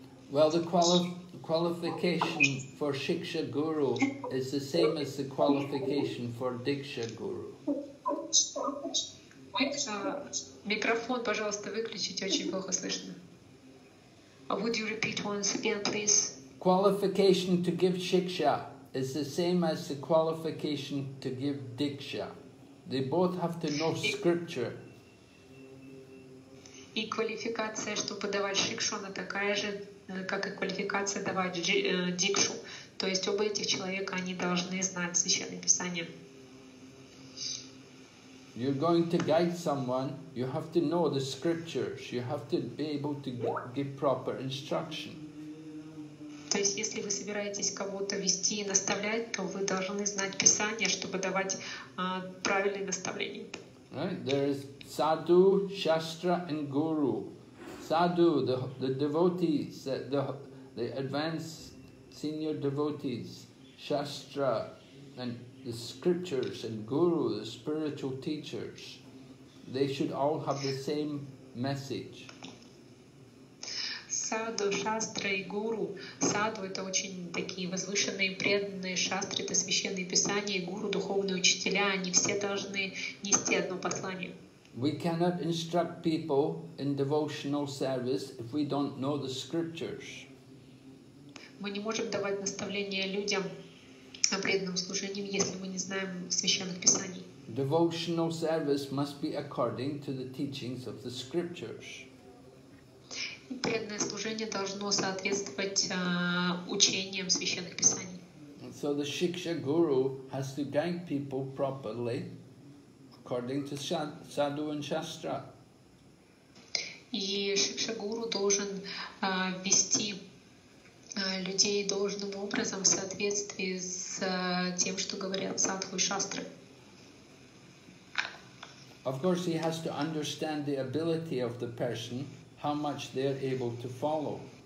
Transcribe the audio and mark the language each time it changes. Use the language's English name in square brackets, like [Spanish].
[English] Well, the qualification for Shiksha Guru is the same as the qualification for Diksha Guru. [Russian] Микрофон, пожалуйста, выключите, очень плохо слышно. [English] Would you repeat once again, please? Qualification to give Shiksha is the same as the qualification to give Diksha. They both have to know scripture. [Russian] И квалификация, чтобы давать Шикшу, она такая же, как и квалификация давать Дикшу. То есть оба этих человека, они должны знать Священное Писание. [English] You're going to guide someone, you have to know the scriptures, you have to be able to give proper instruction. [Russian] То есть, если вы собираетесь кого-то вести и наставлять, то вы должны знать Писание, чтобы давать правильные наставления. [English] Right? There is sadhu, shastra and guru. Sadhu, the devotees, the advanced senior devotees, shastra and the scriptures and guru, the spiritual teachers, they should all have the same message. [Russian] Саду, шастра и гуру. Саду — это очень такие возвышенные, преданные шастры, это священные писания, гуру, духовные учителя, они все должны нести одно послание. [English] We cannot instruct people in devotional service if we don't know the scriptures. [Russian] Мы не можем давать наставления людям о преданном служении, если мы не знаем священных писаний. [English] Devotional service must be according to the teachings of the scriptures. [Russian] Преданное служение должно соответствовать учениям священных писаний. [English] So the Shiksha Guru has to guide people properly according to sadhu and shastra. [Russian] И Шикша Гуру должен вести людей должным образом в соответствии с тем, что говорят садху и шастры. [English] Of course, he has to understand the ability of the person, how much they are able to follow.